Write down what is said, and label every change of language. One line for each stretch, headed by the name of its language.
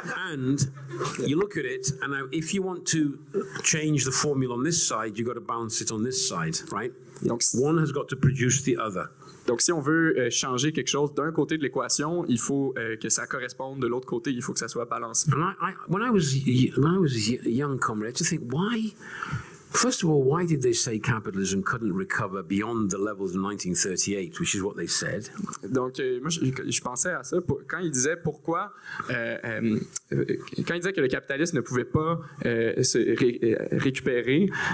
English: and you look at it, and if you want to change the formula on this side, you've got to balance it on this side, right?
French: Donc,
English: one has got to produce the other.
French: Donc, si on veut changer quelque chose d'un côté de l'équation, il faut que ça corresponde de l'autre côté, il faut que ça soit balancé.
English: When I was a young comrade, I just think, why? First of all, why did they say capitalism couldn't recover beyond the levels of 1938, which is what they said?
French: Donc, moi, je pensais à ça. Quand ils disaient pourquoi, quand ils disaient que le capitalisme ne pouvait pas se récupérer...